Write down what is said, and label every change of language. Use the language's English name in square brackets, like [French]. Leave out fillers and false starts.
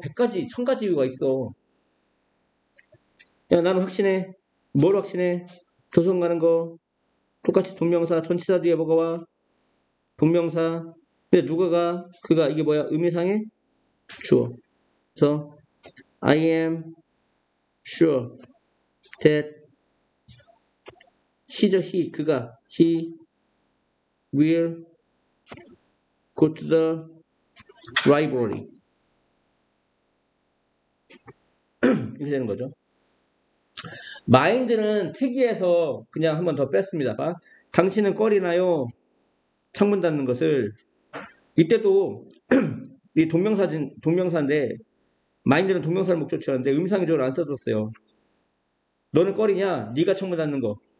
[Korean] 100가지, 1000가지 이유가 있어. 야 나는 확신해. 뭘 확신해? 도서관 가는 거. 똑같이 동명사, 전치사 뒤에 뭐가 와? 동명사. 근데 누가가? 그가 이게 뭐야? 의미상의 주어. 그래서 [English] I am sure [Korean] that 시죠. [English] He [Korean] 그가 [English] he will go to the library. [Korean] 이렇게 되는 거죠. 마인드는 특이해서 그냥 한번 더 뺐습니다. 봐. 당신은 꺼리나요? 창문 닫는 것을. 이때도 이 동명사인데 마인드는 동명사를 목적지였는데 음상적으로 안 써줬어요. 너는 꺼리냐? 네가 창문 닫는 거.